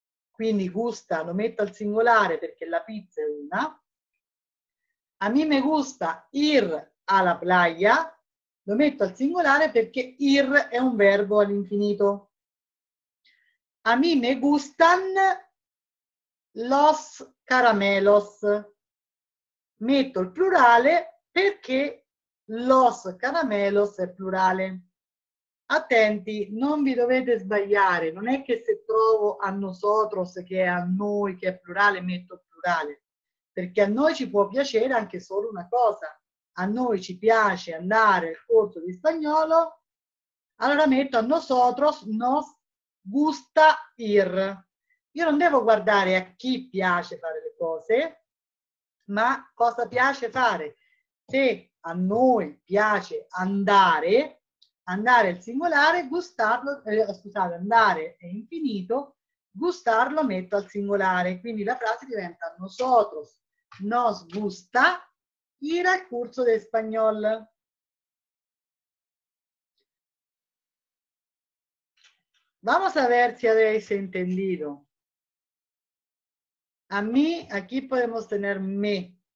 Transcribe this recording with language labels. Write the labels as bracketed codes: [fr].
[it] Quindi gusta, lo metto al singolare perché la pizza è una. [es] A mí me gusta ir alla playa. [it] Lo metto al singolare perché ir è un verbo all'infinito. [es] A mí me gustan los caramelos. [it] Metto il plurale perché los caramelos è plurale. Attenti, non vi dovete sbagliare. Non è che se trovo a nosotros, che è a noi, che è plurale, metto plurale. Perché a noi ci può piacere anche solo una cosa. A noi ci piace andare al corso di spagnolo, allora metto [es] a nosotros, nos, gusta ir. [it] Io non devo guardare a chi piace fare le cose, ma cosa piace fare. Se a noi piace andare al singolare, gustarlo, scusate, andare è infinito, gustarlo metto al singolare. Quindi la frase diventa [es] nosotros nos gusta ir al curso de español. Vamos a ver si habéis entendido. A mí, aquí podemos tener me.